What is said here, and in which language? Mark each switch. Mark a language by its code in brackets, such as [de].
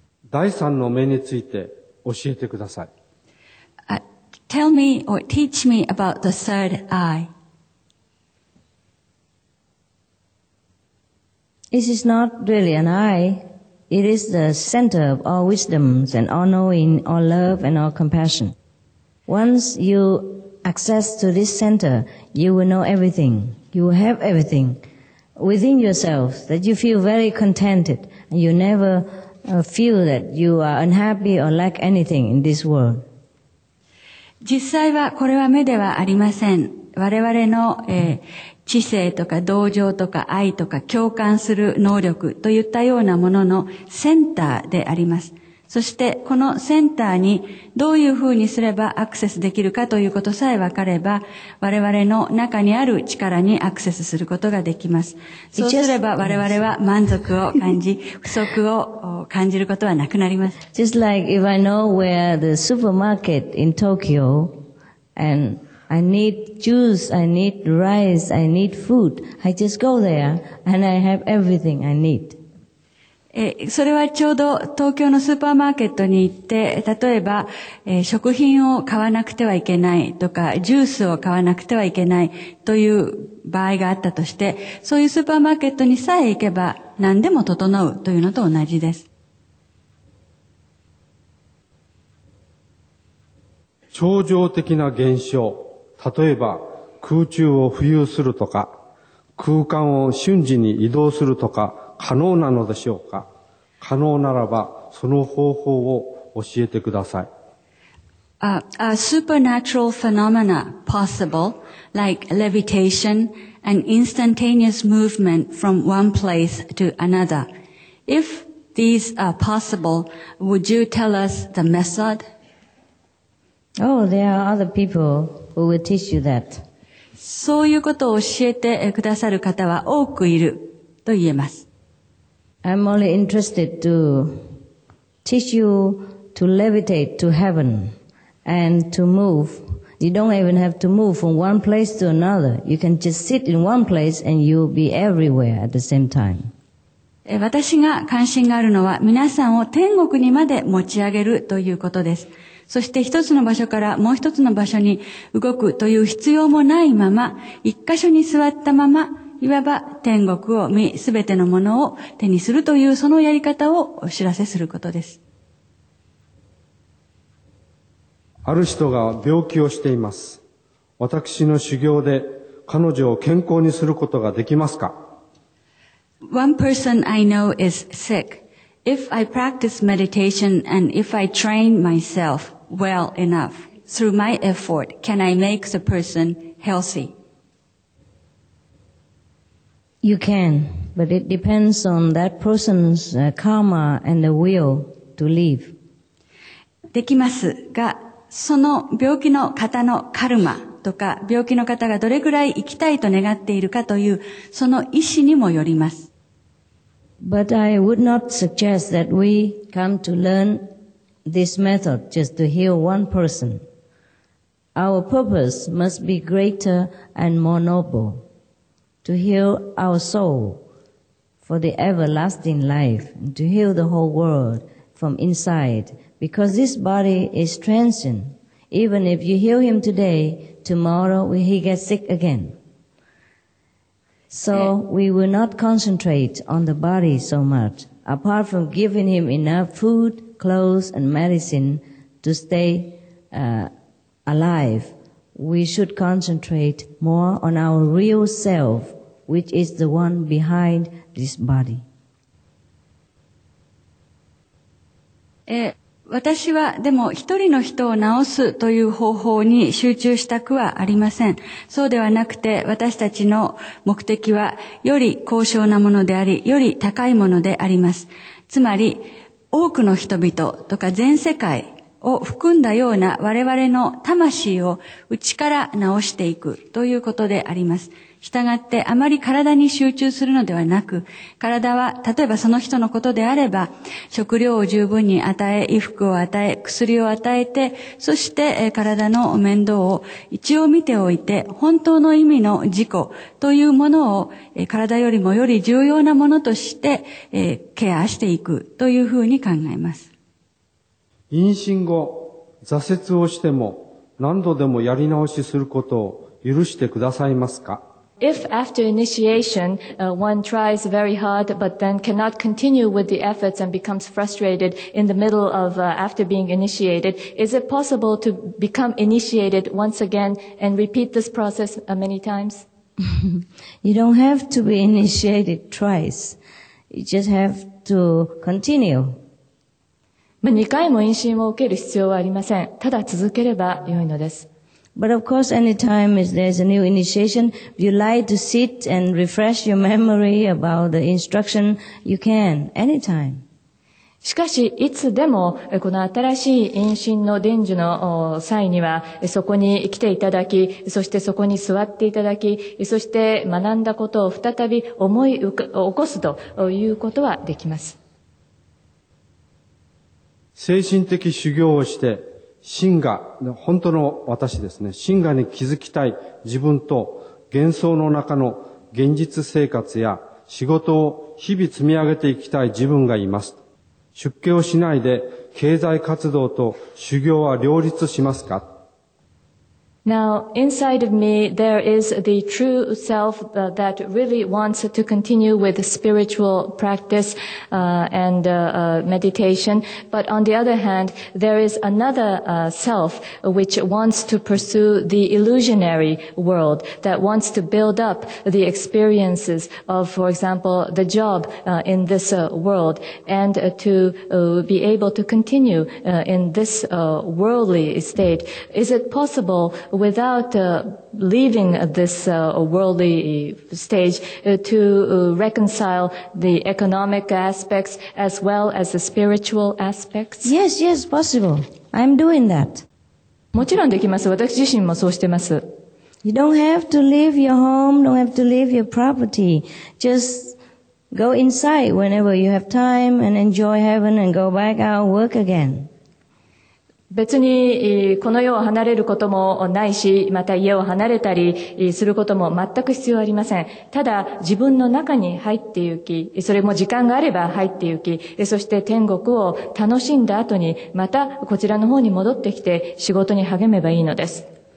[ja] 第三の目について教えてください。 [en] Tell me or teach me about the third eye. This is not really an eye. It is the center of all wisdoms and all knowing, all love and all compassion. Once you access to this center, you will know everything. You will have everything within yourself that you feel very contented. And you never feel that you are unhappy or lack anything in this world. [ja] 実際はこれは目ではありません。我々の、知性とか同情とか愛とか共感する能力といったようなもののセンターであります。そしてこのセンターにどういうふうにすればアクセスできるかということさえ分かれば、我々の中にある力にアクセスすることができます。そうすれば我々は満足を感じ、不足を感じることはなくなります。 [en] Just like if I know where the supermarket in Tokyo and I need juice, I need rice, I need food, I just go there and I have everything I need. [ja] それはちょうど東京のスーパーマーケットに行って、例えば、食品を買わなくてはいけないとか、ジュースを買わなくてはいけないという場合があったとして、そういうスーパーマーケットにさえ行けば何でも整うというのと同じです。超常的な現象、例えば空中を浮遊するとか、空間を瞬時に移動するとか、可能なのでしょうか？可能ならば、その方法を教えてください。 [en] Supernatural phenomena possible, like levitation and instantaneous movement from one place to another. If these are possible, would you tell us the method? Oh, there are other people who will teach you that. [ja] そういうことを教えてくださる方は多くいると言えます。 [en] I'm only interested to teach you to levitate to heaven and to move. You don't even have to move from one place to another. You can just sit in one place and you'll be everywhere at the same time. [ja] 私が関心があるのは皆さんを天国にまで持ち上げるということです。そして一つの場所からもう一つの場所に動くという必要もないまま、一箇所に座ったまま、いわば天国を見、すべてのものを手にするというそのやり方をお知らせすることです。ある人が病気をしています。私の修行で彼女を健康にすることができますか？ [en] One person I know is sick. If I practice meditation and if I train myself well enough through my effort, can I make the person healthy? You can, but it depends on that person's karma and the will to live. [ja] できますが、その病気の方のカルマとか、病気の方がどれくらい生きたいと願っているかという、その意思にもよります。 [en] But I would not suggest that we come to learn this method just to heal one person. Our purpose must be greater and more noble. To heal our soul for the everlasting life, to heal the whole world from inside, because this body is transient. Even if you heal him today, tomorrow he gets sick again. So we will not concentrate on the body so much, apart from giving him enough food, clothes, and medicine to stay, alive. We should concentrate more on our real self. Which is the one behind this body. [ja] 私はでも一人の人を治すという方法に集中したくはありません。そうではなくて私たちの目的はより高尚なものであり、より高いものであります。つまり多くの人々とか全世界を含んだような我々の魂を内から治していくということであります。したがってあまり体に集中するのではなく、体は例えばその人のことであれば、食料を十分に与え、衣服を与え、薬を与えて、そして体の面倒を一応見ておいて、本当の意味の自己というものを体よりもより重要なものとしてケアしていくというふうに考えます。妊娠後、挫折をしても何度でもやり直しすることを許してくださいますか？ [en] If after initiation, one tries very hard but then cannot continue with the efforts and becomes frustrated in the middle of after being initiated, is it possible to become initiated once again and repeat this process many times? You don't have to be initiated twice. You just have to continue. [ja] まあ、2回も妊娠を受ける必要はありません。ただ続ければ良いのです。 [en] But of course, any time there's a new initiation, if you like to sit and refresh your memory about the instruction, you can, any time. [ja] しかし、いつでも、この新しい妊娠の伝授の際には、そこに来ていただき、そしてそこに座っていただき、そして学んだことを再び思い起こすということはできます。精神的修行をして、真我、本当の私ですね。真我に気づきたい自分と幻想の中の現実生活や仕事を日々積み上げていきたい自分がいます。出家をしないで経済活動と修行は両立しますか？ [en] Now, inside of me, there is the true self that really wants to continue with spiritual practice meditation. But on the other hand, there is another self which wants to pursue the illusionary world, that wants to build up the experiences of, for example, the job in this world, and to be able to continue in this worldly state. Is it possible without leaving this worldly stage to reconcile the economic aspects as well as the spiritual aspects? Yes, yes, possible. I'm doing that. [ja] もちろんできます。私自身もそうしてます。 [en] You don't have to leave your home, don't have to leave your property. Just go inside whenever you have time and enjoy heaven and go back out and work again. [ja] 別にこの世を離れることもないし、また家を離れたりすることも全く必要ありません。ただ自分の中に入って行き、それも時間があれば入って行き、そして天国を楽しんだ後にまたこちらの方に戻ってきて仕事に励めばいいのです。